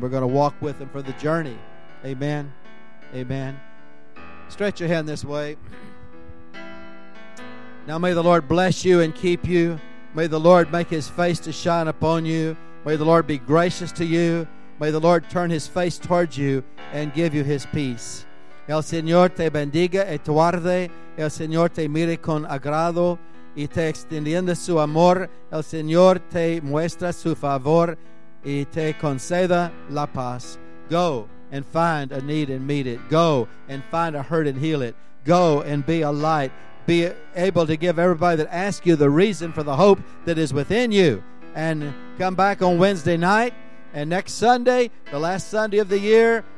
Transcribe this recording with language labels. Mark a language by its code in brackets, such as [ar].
[en] We're going to walk with them for the journey. Amen. Amen. Stretch your hand this way. Now may the Lord bless you and keep you. May the Lord make his face to shine upon you. May the Lord be gracious to you. May the Lord turn his face towards you and give you his peace. [es] El Señor te bendiga y te guarde. El Señor te mire con agrado y te extiende su amor. El Señor te muestra su favor y te conceda la paz. [en] Go and find a need and meet it. Go and find a hurt and heal it. Go and be a light. Be able to give everybody that asks you the reason for the hope that is within you. And come back on Wednesday night and next Sunday, the last Sunday of the year.